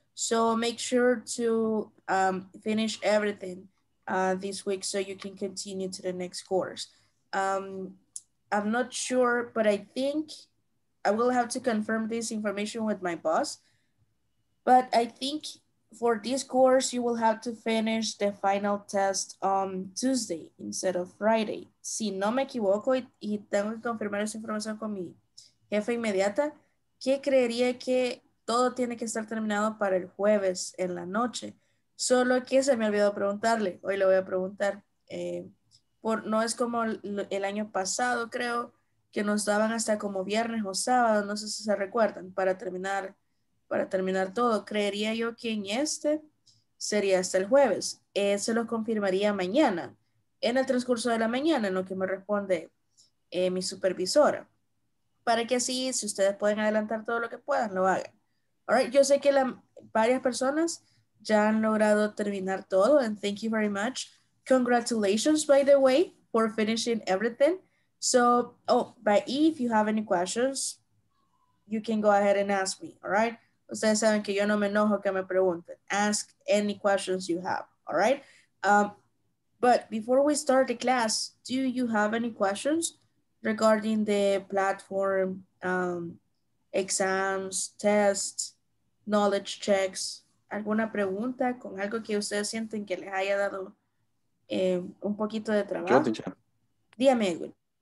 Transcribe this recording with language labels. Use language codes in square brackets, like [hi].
[en] So make sure to finish everything this week so you can continue to the next course. I'm not sure, but I think I will have to confirm this information with my boss. But I think for this course, you will have to finish the final test on Tuesday instead of Friday. [es] Si no me equivoco, y tengo que confirmar esa información con mi jefa inmediata, ¿qué creería que todo tiene que estar terminado para el jueves en la noche? Solo que se me olvidó preguntarle. Hoy le voy a preguntar. No es como el año pasado, creo, que nos daban hasta como viernes o sábado, no sé si se recuerdan, para terminar todo. Creería yo que en este sería hasta el jueves. Se los confirmaría mañana, en el transcurso de la mañana, en lo que me responde mi supervisora. Para que así, si ustedes pueden adelantar todo lo que puedan, lo hagan. [en] All right, [es] yo sé que varias personas ya han logrado terminar todo, [en] and thank you very much. Congratulations, by the way, for finishing everything. So, if you have any questions, you can go ahead and ask me, all right? [es] Ustedes saben que yo no me enojo que me pregunten. [en] Ask any questions you have, all right? But before we start the class, do you have any questions regarding the platform, exams, tests, knowledge checks, [es] alguna pregunta con algo que ustedes sienten que les haya dado un poquito de trabajo? Dígame, Edwin.